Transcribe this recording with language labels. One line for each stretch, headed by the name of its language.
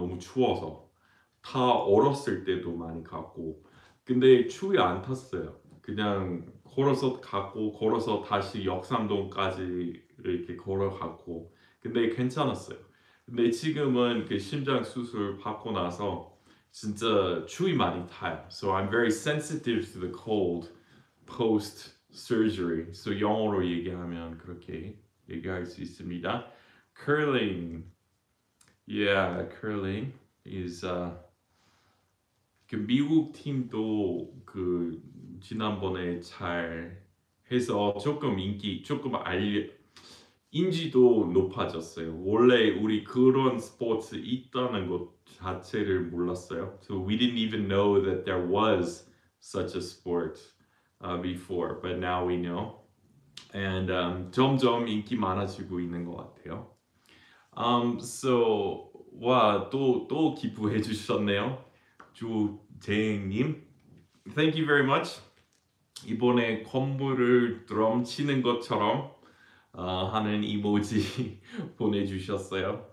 Korean: 너무 추워서 다 얼었을 때도 많이 갔고 근데 추위 안 탔어요. 그냥 걸어서 갔고 걸어서 다시 역삼동까지 이렇게 걸어갔고 근데 괜찮았어요. 근데 지금은 그 심장 수술 받고 나서 진짜 추위 많이 타요.
English: So I'm very sensitive to the cold post surgery.
Korean: So 영어로 얘기하면 그렇게 얘기할 수 있습니다.
English: Curling. Yeah, curling is
Korean: 그 미국 팀도 그 지난번에 잘 해서 조금 인기, 조금 인지도 높아졌어요. 원래 우리 그런 스포츠 있다는 것 자체를 몰랐어요.
English: So we didn't even know that there was such a sport before, but now we know.
Korean: And 점점 인기 많아지고 있는 것 같아요. So 와, 또 기부해 주셨네요.
English: 주재행님, thank you very much.
Korean: 이번에 건물을 드럼 치는 것처럼 하는 이모지 보내주셨어요.